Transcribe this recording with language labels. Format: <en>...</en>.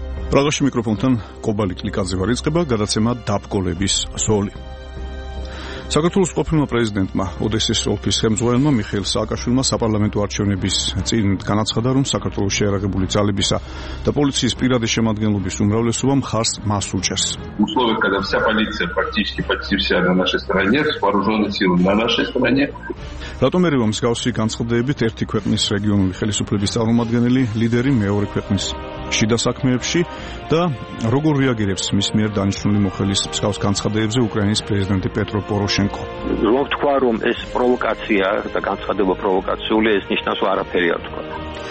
<ka>პრაღაში მიკროფონთან კობალი კლიკაძეoverline იწყება გადაცემა დაბკოლების სოლი. საქართველოს ყოფილმა პრეზიდენტმა ოდესის ოლქის ხელმძღვანელმა მიხეილ სააკაშვილმა საპარლამენტო არჩევნების წინ განაცხადა, რომ საქართველოს შეერაგებული ძალებისა და პოლიციის პირადი შემადგენლობის უმრავლესობა მხარს მას უჭერს.</ka> <ru>Условия, когда вся полиция практически почти вся на нашей стороне, вооружённые силы на нашей стороне.</ru> <ka>რატომ ერევა მსგავსი განცხადებით ერთი ქვეყნის რეგიონული ხელისუფლების წარმომადგენელი ლიდერი მეორე ქვეყნის შიდა საქმეებში და როგორ რეაგირებს მის მიერ დანიშნული მოხელის მსგავს განცხადებებზე უკრაინის პრეზიდენტი პეტრო პოროშენკო? როგორც თქვა, რომ ეს პროვოკაცია და განცხადება პროვოკაციული, ეს ნიშნავს არაფერი არ თქვა.</ka>